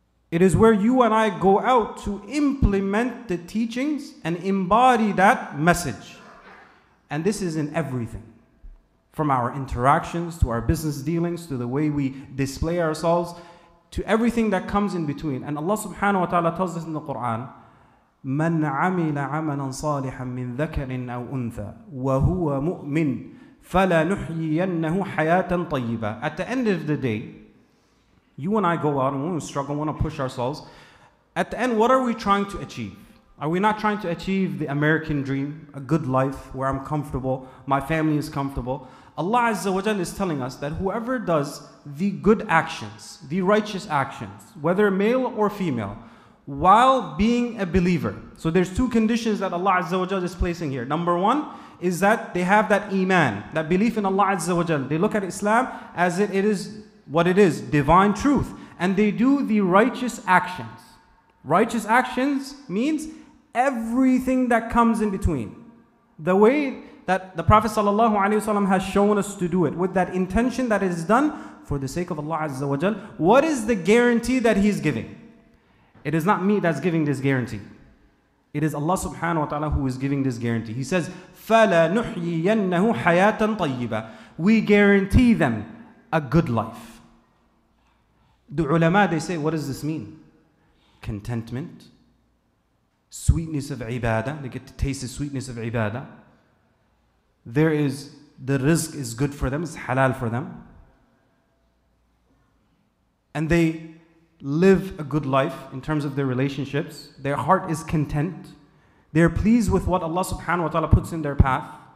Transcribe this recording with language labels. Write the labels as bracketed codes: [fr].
[en] It is where you and I go out to implement the teachings and embody that message. And this is in everything. From our interactions, to our business dealings, to the way we display ourselves, to everything that comes in between. And Allah subhanahu wa ta'ala tells us in the Quran, [ar] مَنْ عَمِلَ عَمَلًا صَالِحًا مِنْ ذَكَرٍ أَوْ أُنْثَى وَهُوَ مُؤْمِنٍ فَلَنُحْيِيَنَّهُ حَيَاةً طَيِّبًا. [en] At the end of the day, you and I go out and we want to struggle, we want to push ourselves. At the end, what are we trying to achieve? Are we not trying to achieve the American dream, a good life where I'm comfortable, my family is comfortable? Allah Azza wa Jalla is telling us that whoever does the good actions, the righteous actions, whether male or female, while being a believer. So there's two conditions that Allah Azza wa Jalla is placing here. Number one is that they have that iman, that belief in Allah Azza wa Jalla. They look at Islam as it is what it is, divine truth. And they do the righteous actions. Righteous actions means everything that comes in between. The way that the Prophet sallallahu alaihi wasallam has shown us to do it, with that intention that it is done for the sake of Allah Azza wa Jal, what is the guarantee that he's giving? It is not me that's giving this guarantee. It is Allah subhanahu wa ta'ala who is giving this guarantee. He says, [ar] فَلَنُحْيِيَنَّهُ حَيَاةً طَيِّبًا. [en] We guarantee them a good life. The ulama, they say, what does this mean? Contentment, sweetness of ibadah, they get to taste the sweetness of ibadah. there is the rizq is good for them, it's halal for them, and they live a good life in terms of their relationships, their heart is content, they're pleased with what Allah subhanahu wa ta'ala puts in their path.